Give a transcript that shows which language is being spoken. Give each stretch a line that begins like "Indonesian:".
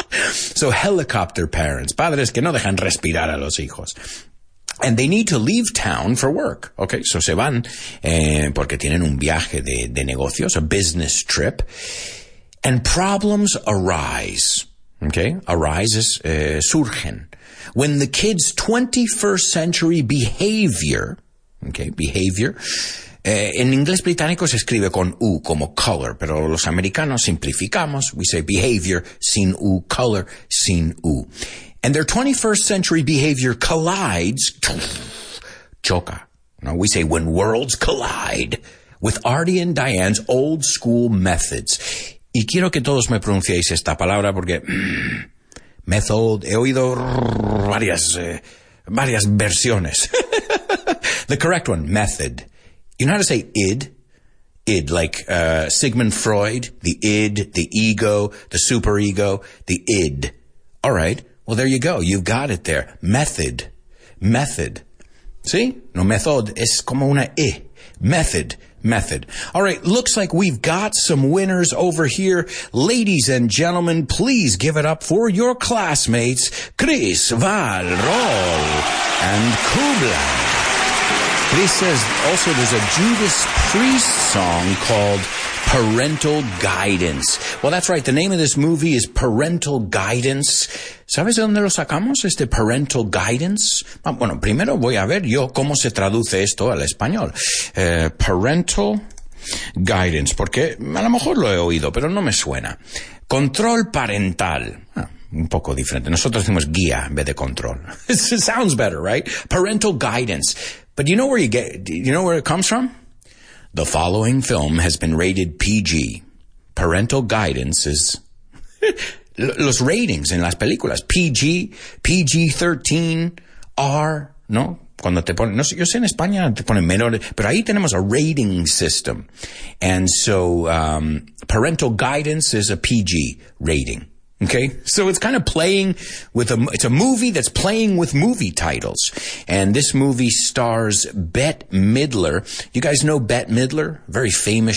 English: So helicopter parents,
Spanish: padres que no dejan respirar a los hijos.
English: And they need to leave town for work.
Spanish: Okay, so se van porque tienen un viaje de negocios,
English: a business trip. And problems arise. Okay, arises,
Spanish: surgen.
English: When the kid's 21st century behavior, okay, behavior,
Spanish: en inglés británico se escribe con U como color, pero los americanos simplificamos,
English: we say behavior,
Spanish: sin U, color, sin U.
English: And their 21st century behavior collides,
Spanish: choca.
English: Now we say when worlds collide with Artie and Diane's old school methods.
Spanish: Y quiero que todos me pronunciéis esta palabra porque method, he oído varias versiones.
English: The correct one, method. You know how to say id? Id, like Sigmund Freud, the id, the ego, the superego, the id. All right, well, there you go. You've got it there. Method. Method. See?
Spanish: No, method es como una I. Method. Method.
English: All right, looks like we've got some winners over here. Ladies and gentlemen, please give it up for your classmates, Chris Valrol and Kublai. Chris says also there's a Judas Priest song called Parental Guidance. Well, that's right. The name of this movie is Parental Guidance.
Spanish: ¿Sabes de dónde lo sacamos, este Parental Guidance? Ah, bueno, primero voy a ver yo cómo se traduce esto al español. Parental Guidance, porque a lo mejor lo he oído, pero no me suena. Control Parental. Un poco diferente. Nosotros decimos guía en vez de control.
English: It sounds better, right? Parental Guidance. But you know where it comes from? The following film has been rated PG.
Spanish: Parental Guidance is los ratings en las películas. PG, PG-13, R, ¿no? Cuando te ponen, no sé, yo sé en España te ponen menores, pero ahí tenemos
English: a rating system. And so Parental Guidance is a PG rating. Okay, so it's kind of playing with it's a movie that's playing with movie titles. And this movie stars Bette Midler. You guys know Bette Midler? Very famous.